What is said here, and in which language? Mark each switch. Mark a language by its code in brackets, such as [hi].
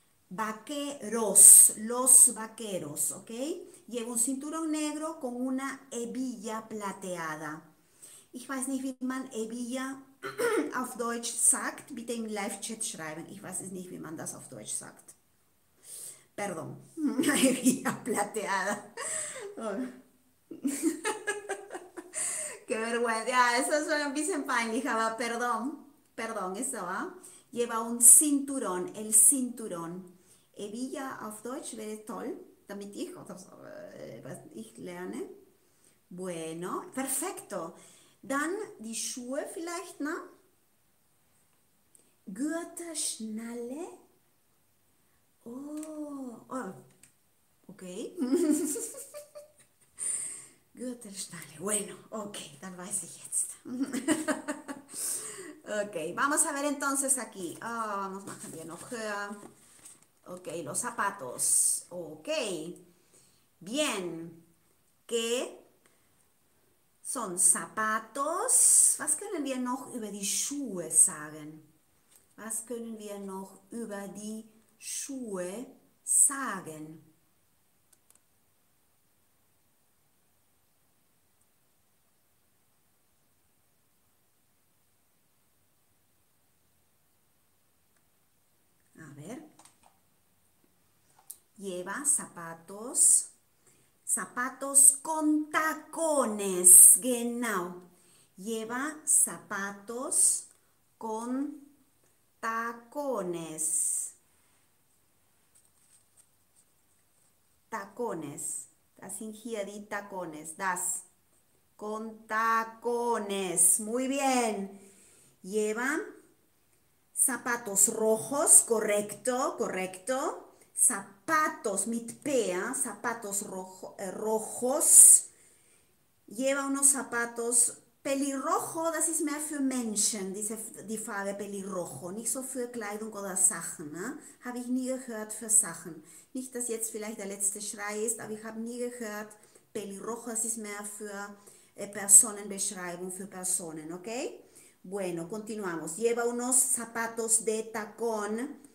[es] Vaqueros, los vaqueros, ¿ok? Lleva un cinturón negro con una hebilla plateada. [de] Ich weiß nicht, wie man hebilla auf Deutsch sagt. Bitte im Live-Chat schreiben. Ich weiß es nicht, wie man das auf Deutsch sagt. [es] Perdón. Hebilla plateada. Qué vergüenza. Ja, eso suena [de] ein bisschen peinlich, [es] aber perdón. Perdón, eso va. Lleva un cinturón, el cinturón. [de] Hebilla auf Deutsch wäre toll, damit ich, ich lerne. [es] Bueno, perfecto. [de] Dann die Schuhe vielleicht, ne? Gürtelschnalle. Oh, okay. Gürtelschnalle. Bueno, okay, dann weiß ich jetzt. [es] Okay, vamos a ver entonces aquí. [de] Oh, vamos machen wir noch höher. [es] Okay, los zapatos. Okay. Bien. ¿Qué son zapatos? [de] Was können wir noch über die Schuhe sagen? Was können wir noch über die Schuhe sagen? [es] A ver. Lleva zapatos, zapatos con tacones, genau. Lleva zapatos con tacones. [de] Tacones, das sind hier die Tacones, das. [es] Con tacones, muy bien. Lleva zapatos rojos, correcto, correcto. Zapatos mit P, zapatos rojos. Lleva unos zapatos pelirrojo, [de] das ist mehr für Menschen, die Farbe pelirrojo. Nicht so für Kleidung oder Sachen. Ne? Habe ich nie gehört für Sachen. Nicht, dass jetzt vielleicht der letzte Schrei ist, aber ich habe nie gehört, pelirrojo, das ist mehr für Personenbeschreibung, für Personen. [es] Okay? Bueno, continuamos. Lleva unos zapatos de tacón.